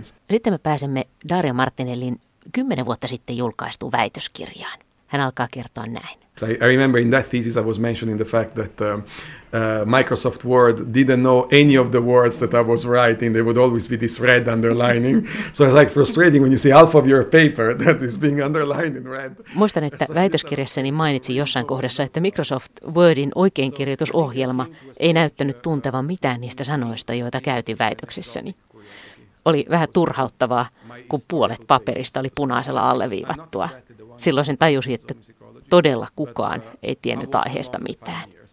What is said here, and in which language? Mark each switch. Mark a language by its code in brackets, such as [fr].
[fi] Sitten me pääsemme Dario Martinellin 10 vuotta sitten julkaistu väitöskirjaan. Hän alkaa kertoa näin. [en] I remember in that thesis I was mentioning the fact that Microsoft Word didn't know any of the words that I was writing. There would always be this red underlining. So it's like frustrating when you see half of your paper that is being underlined in red. [fi] Muistan, että väitöskirjassani mainitsin jossain kohdassa, että Microsoft Wordin oikeinkirjoitusohjelma ei näyttänyt tuntevan mitään niistä sanoista, joita käytin väitöksissäni. Oli vähän turhauttavaa, kun puolet paperista oli punaisella alleviivattua. Silloin sen tajusi, että todella kukaan ei tiennyt aiheesta mitään.